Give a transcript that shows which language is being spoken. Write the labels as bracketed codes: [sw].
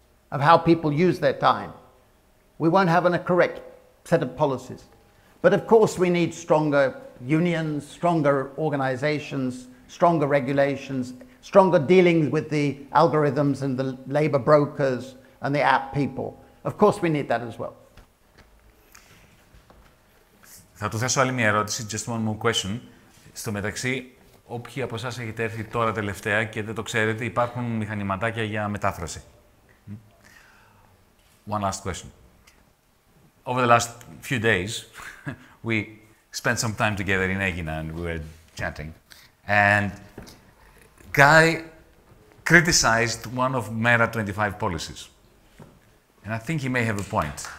[en] of how people use their time. We won't have a correct set of policies. But of course we need stronger unions, stronger organizations, stronger regulations, stronger dealings with the algorithms and the labor brokers and the app people. Of course we need that as well. [el] Θα του θέσω άλλη μια ερώτηση, [en] just one more question. [el] Στο μεταξύ, όποιοι από εσάς έχετε έρθει τώρα τελευταία και δεν το ξέρετε, υπάρχουν μηχανηματάκια για μετάφραση. [en] One last question. Over the last few days, we spent some time together in Aegina and we were chatting. And Guy criticized one of Mera 25 policies. And I think he may have a point.